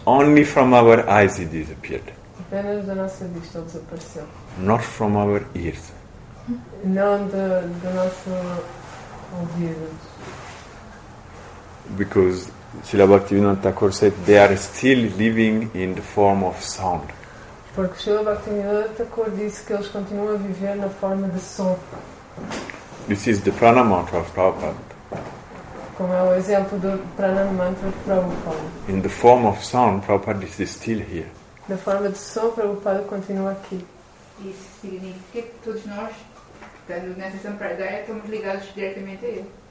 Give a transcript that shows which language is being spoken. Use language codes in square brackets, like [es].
[en] Only from our eyes he disappeared. [pt] Apenas da nossa vista desapareceu. [en] Not from our ears. [pt] Não da nossa ouvidos. [en] Because Srila Bhaktivinoda Thakur said they are still living in the form of sound. [pt] Porque Srila Bhaktivinoda Thakur disse que eles continuam a viver na forma de som. [en] This is the prana mantra of Prabhupada. [pt] Como é o exemplo do pranam mantra de Prabhupada. [en] In the form of sound, Prabhupada is still here. [pt] Na forma de som, Prabhupada continua aqui. Isso significa que todos nós, estando nessa sampradaya, estamos ligados diretamente a ele.